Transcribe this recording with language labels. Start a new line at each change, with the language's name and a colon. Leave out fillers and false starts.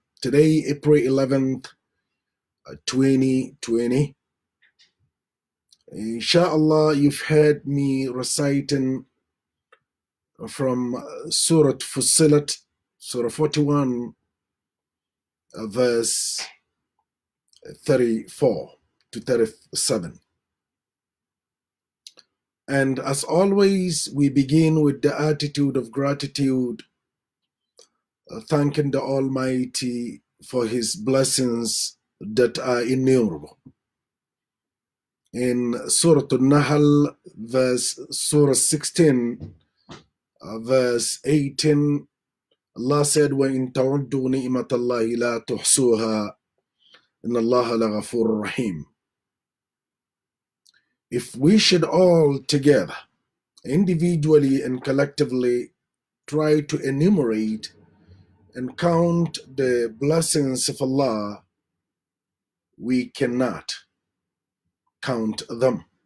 English: Today, April 11th, 2020, inshallah, you've heard me reciting from Surah Fussilat, Surah 41, verse 34 to 37. And as always, we begin with the attitude of gratitude, thanking the Almighty for His blessings that are innumerable. In Surah An-Nahl, verse 16, verse 18, Allah said,
Arabic: وَإِن تَعُدُّوا نِعْمَةَ اللَّهِ لَا تُحْصُوهَا إِنَّ اللَّهَ لَغَفُورٌ رَحِيمٌ.
English: If we should all together, individually and collectively, try to enumerate and count the blessings of Allah, we cannot count them.